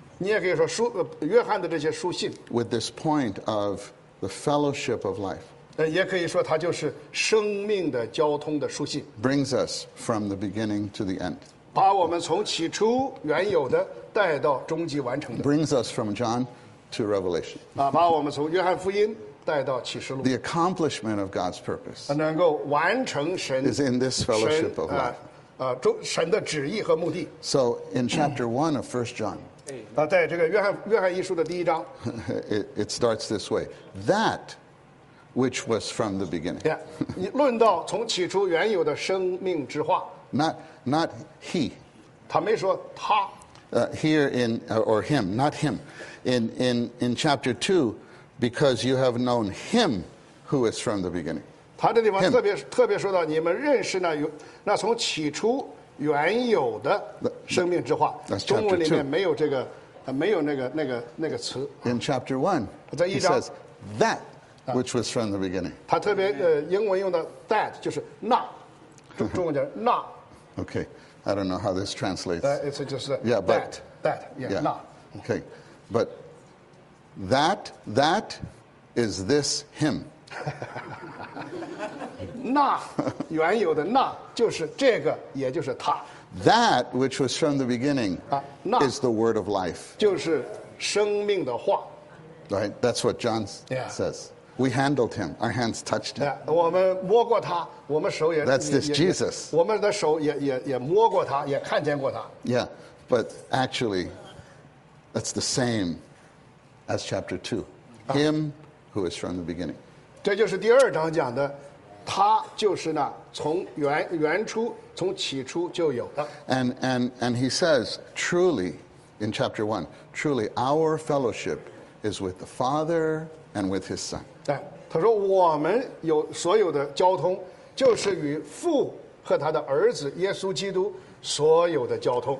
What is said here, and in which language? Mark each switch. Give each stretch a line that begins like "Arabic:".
Chinese: 你也可以说书，约翰的这些书信。
English: With this point of the fellowship of life.
Chinese: 也可以说它就是生命的交通的书信。
English: Brings us from the beginning to the end.
Chinese: 把我们从起初原有的带到终极完成的。
English: Brings us from John to Revelation.
Chinese: 把我们从约翰福音带到启示录。
English: The accomplishment of God's purpose.
Chinese: 能够完成神。
English: Is in this fellowship of life.
Chinese: 神的旨意和目的。
English: So in chapter 1 of 1 John.
Chinese: 在这个约翰一书的第一章
English: it starts this way, that which was from the beginning.
Chinese: 论到从起初原有的生命之话
English: not he.
Chinese: 他没说他
English: here in, or him, not him. In chapter 2, because you have known him who is from the beginning.
Chinese: 他这地方特别说到你们认识那从起初原有的生命之话，中文里面没有这个，没有那个词。
English: In chapter one, he says that which was from the beginning.
Chinese: 他特别英文用的 that 就是那，中文叫那。
English: Okay, I don't know how this translates. It's just that. Yeah, but that, yeah, yeah. Na. Okay, but That is this him.
Chinese: 那原有的那就是这个，也就是他。
English: That which was from the beginning is the word of life.
Chinese: 就是生命的话。
English: Right, that's what John says. We handled him. Our hands touched him.
Chinese: 我们摸过他，我们手也。
English: That's this Jesus.
Chinese: 我们的手也摸过他，也看见过他。
English: Yeah, but actually, that's the same as chapter 2. Him who is from the beginning.
Chinese: 这就是第二章讲的，他就是呢，从原初，从起初就有的。
English: And he says, truly, in chapter 1, truly our fellowship is with the Father and with his Son.
Chinese: 对，他说我们有所有的交通，就是与父和他的儿子耶稣基督所有的交通。